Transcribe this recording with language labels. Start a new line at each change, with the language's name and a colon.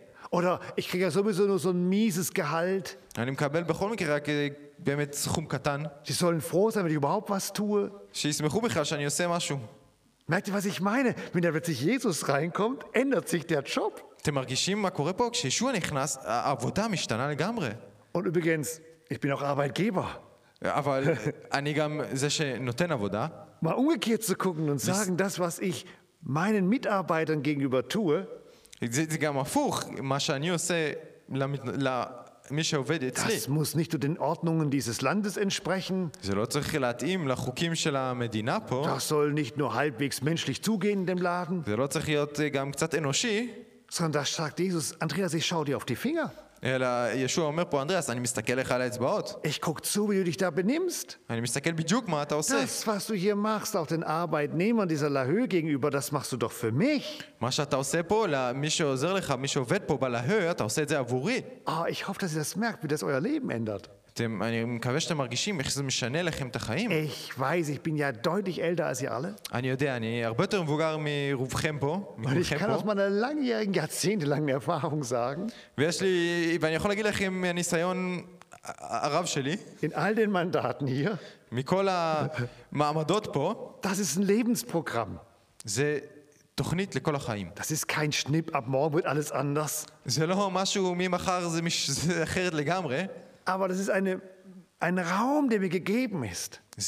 German: Oder ich kriege ja sowieso nur so ein mieses Gehalt.
Hebrew: אני מקבל בכל מקרה רק באמת סכום קטן.
German: Sie sollen froh sein, wenn ich überhaupt was tue.
Hebrew: שישמחו בכלל שאני עושה משהו.
German: Merkt ihr, was ich meine? Wenn da plötzlich Jesus reinkommt, ändert sich der Job.
Hebrew: אתם מרגישים מה קורה פה? כשישוע נכנס, העבודה משתנה לגמרי.
German: Und übrigens, ich bin auch Arbeitgeber.
Hebrew: אבל אני גם זה שנותן עבודה.
German: Mal umgekehrt zu gucken und sagen, das, was ich meinen Mitarbeitern gegenüber tue,
Hebrew: זה גם הפוך, מה שאני עושה למי שעובד אצלי.
German: Das muss nicht zu den Ordnungen dieses Landes entsprechen.
Hebrew: זה לא צריך להתאים לחוקים של המדינה פה.
German: Das soll nicht nur halbwegs menschlich zugehen in dem Laden.
Hebrew: זה לא צריך להיות גם קצת אנושי.
German: Sondern das sagt Jesus, Andreas, ich schau dir auf die Finger.
Hebrew: אלא ישוע אומר פה, אנדריאס, אני מסתכל לך על האצבעות.
German: Ich guck zu, wie du dich da benimmst.
Hebrew: אני מסתכל בדיוק מה אתה עושה.
German: Das, was du hier machst, auch den Arbeitnehmern dieser Lahö gegenüber, das machst du doch für mich.
Hebrew: מה שאתה עושה פה, למי שעוזר לך, מי שעובד פה בלהו, אתה עושה את זה עבורי.
German: Oh, ich hoffe, dass ihr das merkt, wie das euer Leben ändert.
Hebrew: אני מקווה שאתם מרגישים איך זה משנה לכם את החיים.
German: Ich weiß, ich bin ja deutlich älter als ihr alle.
Hebrew: אני יודע, אני הרבה יותר מבוגר מרובכם פה.
German: Und ich kann aus meiner langjährigen, jahrzehntelangen Erfahrung sagen.
Hebrew: ואני יכול להגיד לכם מהניסיון הרב שלי.
German: In all den Mandaten hier.
Hebrew: מכל המעמדות פה.
German: Das ist ein Lebensprogramm.
Hebrew: זה תוכנית לכל החיים.
German: Das ist kein Schnipp, ab morgen wird alles anders.
Hebrew: זה לא משהו ממחר, זה אחרת לגמרי.
German: Aber das ist ein Raum, der mir gegeben ist.